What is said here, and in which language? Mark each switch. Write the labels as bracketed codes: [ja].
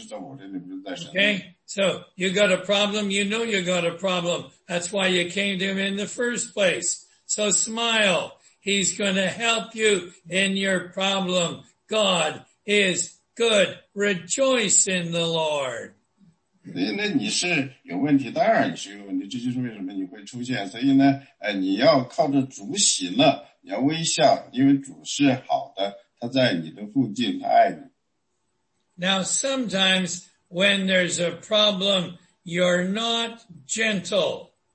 [en] Okay, so you got a problem, you know you got a problem. That's why you came to him in the first place. So smile. He's going to help you in your problem. God is good. Rejoice in the Lord. [zh] 那你是有问题，当然是有问题，这就是为什么你会出现。所以呢，你要靠着主喜乐，你要微笑，因为主是好的，他在你的附近，他爱你。 [en] Now sometimes when there's a problem, you're not gentle.